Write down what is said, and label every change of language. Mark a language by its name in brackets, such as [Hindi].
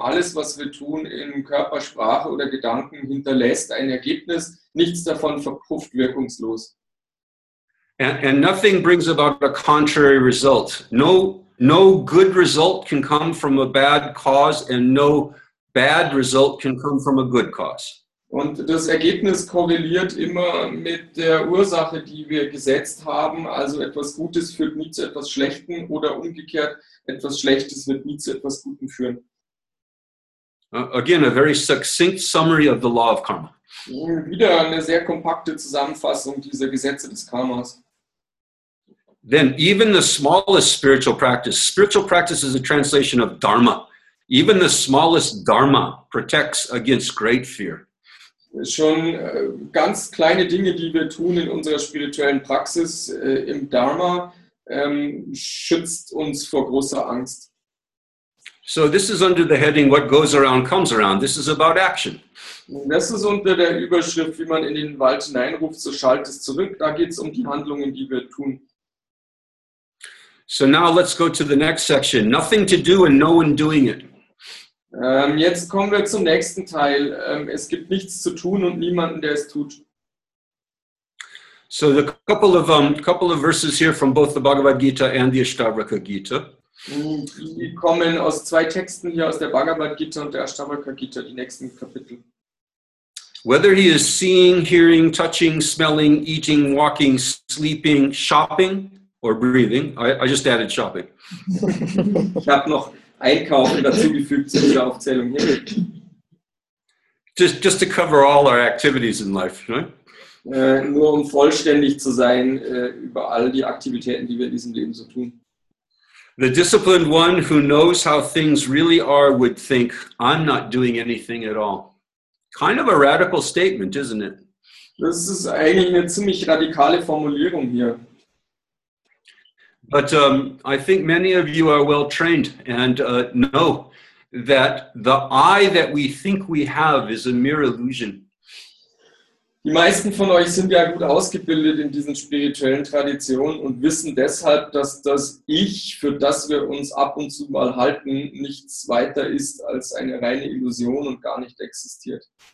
[German] Alles, was wir tun in Körper, Sprache oder Gedanken, hinterlässt ein Ergebnis. Nichts davon verpufft wirkungslos. [English] And nothing brings about a contrary result. No good result can come from a bad cause, and no bad result can come from a good cause. [German] Und das Ergebnis korreliert immer mit der Ursache, die wir gesetzt haben. Also etwas Gutes führt nie zu etwas Schlechtem oder umgekehrt, etwas Schlechtes wird nie zu etwas Gutem führen. [English] Again, a very succinct summary of the law of karma. [German] Und wieder eine sehr kompakte Zusammenfassung dieser Gesetze des Karmas. [English] Then even the smallest spiritual practice is a translation of dharma. Even the smallest dharma protects against great fear. [German] Schon ganz kleine Dinge, die wir tun in unserer spirituellen Praxis, im Dharma, schützt uns vor großer Angst. [English] So this is under the heading, what goes around comes around. This is about action. [German] Das ist unter der Überschrift, wie man in den Wald hineinruft, so schallt es zurück. Da geht es um die Handlungen, die wir tun. [English] So now let's go to the next section. Nothing to do and no one doing it. [German] Jetzt kommen wir zum nächsten Teil. Es gibt nichts zu tun und niemanden, der es tut. [English] So the couple of verses here from both the Bhagavad Gita and the Ashtavaka Gita. [German] Die kommen aus zwei Texten hier, aus der Bhagavad Gita und der Ashtavaka Gita, die nächsten Kapitel. [English] Whether he is seeing, hearing, touching, smelling, eating, walking, sleeping, shopping or breathing. I just added shopping. [German] Ich habe noch Einkaufen dazugefügt zu dieser Aufzählung. [English] Just to cover all our activities in life, right? [German] Nur um vollständig zu sein über all die Aktivitäten, die wir in diesem Leben so tun. [English] The disciplined one who knows how things really are would think, I'm not doing anything at all. Kind of a radical statement, isn't it? [German] Das ist eigentlich eine ziemlich radikale Formulierung hier. [English] But I think many of you are well trained and know that the I that we think we have is a mere illusion. [German] Die meisten von euch sind ja gut ausgebildet in diesen spirituellen Traditionen und wissen deshalb, dass das Ich, für das wir uns ab und zu mal halten, nichts weiter ist als eine reine Illusion und gar nicht existiert.